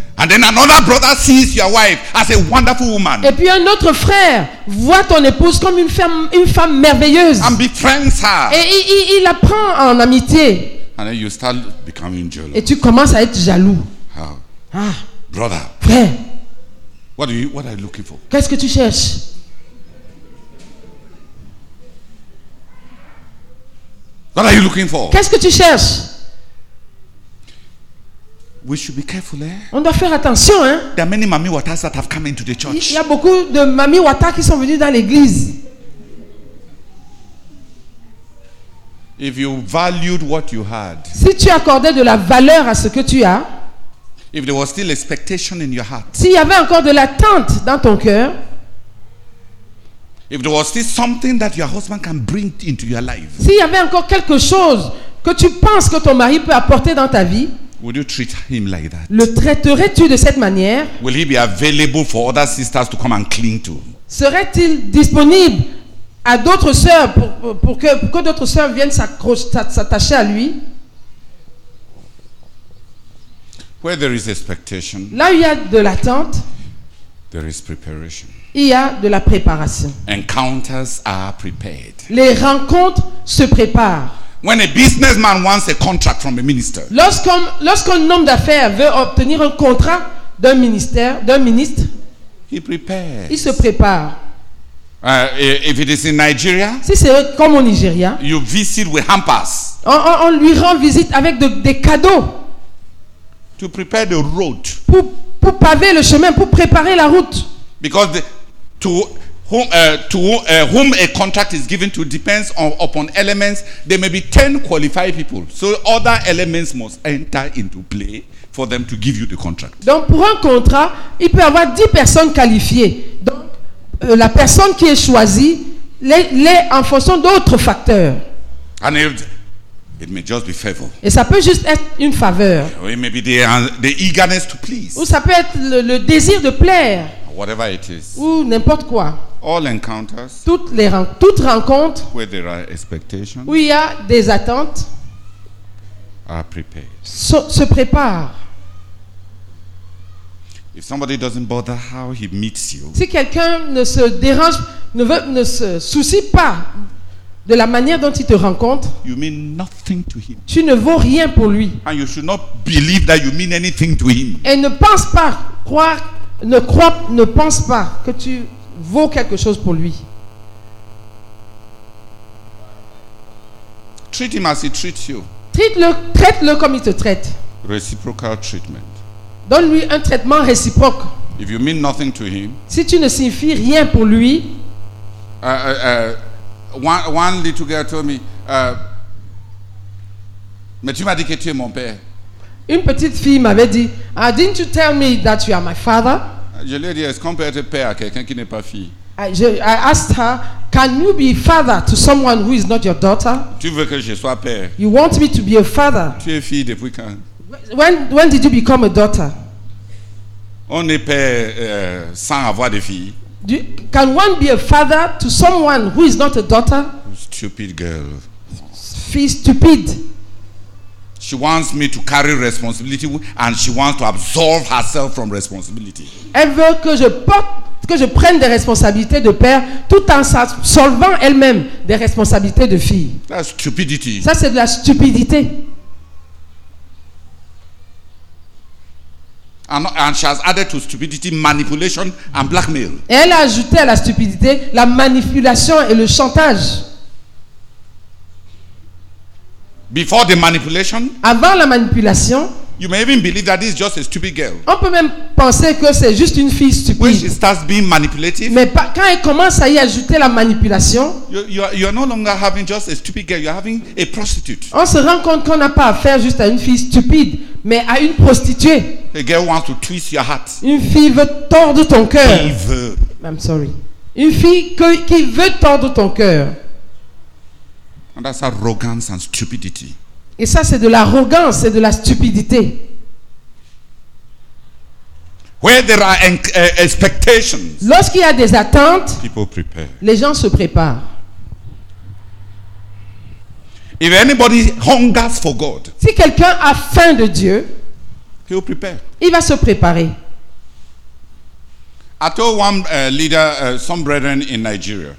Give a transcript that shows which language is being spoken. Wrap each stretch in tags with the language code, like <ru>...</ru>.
<en>And then another brother sees your wife as a wonderful woman.</en> <fr>Et puis un autre frère voit ton épouse comme une femme merveilleuse.</fr> <en>And befriends her.</en> <fr>Et il la prend en amitié.</fr> <en>And then you start becoming jealous.</en> <fr>Et tu commences à être jaloux.</fr> <en>How? Ah. Brother.</en> <fr>Frère.</fr> <en>What are you looking for?</en> <fr>Qu'est-ce que tu cherches?</fr> <en>What are you looking for?</en> <fr>Qu'est-ce que tu cherches?</fr> <en>We should be careful, eh?</en> <fr>On doit faire attention, hein?</fr> <en>There are many mami watas that have come into the church.</en> <fr>Il y a beaucoup de mami wata qui sont venus dans l'église.</fr> <en>If you valued what you had.</en> <fr>Si tu accordais de la valeur à ce que tu as.</fr> <en>If there was still expectation in your heart.</en> <fr>S'il y avait encore de l'attente dans ton cœur.</fr> <en>If there was still something that your husband can bring into your life.</en> <fr>S'il y avait encore quelque chose que tu penses que ton mari peut apporter dans ta vie.</fr> <en>Would you treat him like that?</en> <fr>Le traiterais-tu de cette manière?</fr> <en>Will he be available for other sisters to come and cling to?</en> <fr>Serait-il disponible à d'autres sœurs pour que d'autres sœurs viennent s'attacher à lui?</fr> <en>Where there is expectation,</en> <fr>là où il y a de l'attente,</fr> <en>there is preparation.</en> <fr>il y a de la préparation.</fr> <en>Encounters are prepared.</en> <fr>Les rencontres se préparent.</fr> <en>When a businessman wants a contract from a minister.</en> <fr>Lorsqu'un homme d'affaires veut obtenir un contrat d'un ministère, d'un ministre,</fr> <en>he prepares.</en> <fr>Il se prépare.</fr> <en>If it is in Nigeria,</en> <fr>si c'est comme au Nigeria,</fr> <en>you visit with hampers.</en> <fr>On lui rend visite avec des cadeaux.</fr> <en>To prepare the road.</en> <fr>Pour paver le chemin, pour préparer la route.</fr> <en>Because to whom a contract is given to depends upon elements. There may be 10 qualified people, so other elements must enter into play for them to give you the contract.</en> <fr>Donc pour un contrat, il peut avoir 10 personnes qualifiées. Donc la personne qui est choisie l'est en fonction d'autres facteurs.</fr> <en>And it may just be favor.</en> <fr>Et ça peut juste être une faveur.</fr> <en>Or it may be the eagerness to please.</en> <fr>Ou ça peut être le désir de plaire.</fr> <en>Whatever it is.</en> <fr>Ou n'importe quoi.</fr> <en>All encounters.</en> <fr>Toutes rencontres.</fr> <en>Where there are expectations.</en> <fr>Où il y a des attentes.</fr> <en>Are prepared.</en> <fr>Se prépare.</fr> <en>If somebody doesn't bother how he meets you.</en> <fr>Si quelqu'un ne se dérange, ne se soucie pas de la manière dont il te rencontre.</fr> <en>You mean nothing to him.</en> <fr>Tu ne vaux rien pour lui.</fr> <en>And you should not believe that you mean anything to him.</en> <fr>Et ne pense pas croire. Ne pense pas que tu vaux quelque chose pour lui.</fr> <en>Treat him as he treats you.</en> <fr>Traite-le comme il te traite.</fr> <en>Reciprocal treatment.</en> <fr>Donne-lui un traitement réciproque.</fr> <en>If you mean nothing to him.</en> <fr>Si tu ne signifies rien pour lui.</fr> <en>One little girl told me,</en> <fr>mais tu m'as dit que tu es mon père. Une petite fille m'avait dit,</fr> <en>didn't you tell me that you are my father?</en> <fr>Je lui ai dit, est-ce qu'on peut être père à quelqu'un qui n'est pas fille?</fr> <en>I asked her, can you be father to someone who is not your daughter?</en> <fr>Tu veux que je sois père?</fr> <en>You want me to be a father?</en> <fr>Tu es fille depuis quand?</fr> <en>When did you become a daughter?</en> <fr>On est père sans avoir de fille.</fr> <en>Can one be a father to someone who is not a daughter? Stupid girl.</en> <fr>Fille stupide.</fr> <en>She wants me to carry responsibility and she wants to absolve herself from responsibility.</en> <fr>Elle veut que je prenne des responsabilités de père tout en s'absolvant elle-même des responsabilités de fille.</fr> <en>That's stupidity.</en> <fr>Ça c'est de la stupidité.</fr> <en>And she has added to stupidity manipulation and blackmail.</en> <fr>Et elle a ajouté à la stupidité la manipulation et le chantage.</fr> <en>Before the manipulation,</en> <fr>avant la manipulation,</fr> <en>you may even believe that this is just a stupid girl.</en> <fr>On peut même penser que c'est juste une fille stupide.</fr> <en>When she starts being manipulative,</en> <fr>mais quand elle commence à y ajouter la manipulation,</fr> <en>you are no longer having just a stupid girl. You are having a prostitute.</en> <fr>On se rend compte qu'on n'a pas affaire juste à une fille stupide, mais à une prostituée.</fr> <en>A girl wants to twist your heart.</en> <fr>Une fille veut tordre ton cœur.</fr> <en>I'm sorry.</en> <fr>Une fille qui veut tordre ton cœur.</fr> <en>And that's arrogance and stupidity.</en> <fr>Et ça, c'est de l'arrogance et de la stupidité.</fr> <en>Where there are expectations,</en> <fr>lorsqu'il y a des attentes,</fr> <en>people prepare.</en> <fr>Les gens se préparent.</fr> <en>If anybody hungers for God,</en> <fr>si quelqu'un a faim de Dieu,</fr> <en>he'll prepare.</en> <fr>Il va se préparer.</fr> <en>I told one leader, some brethren in Nigeria.</en>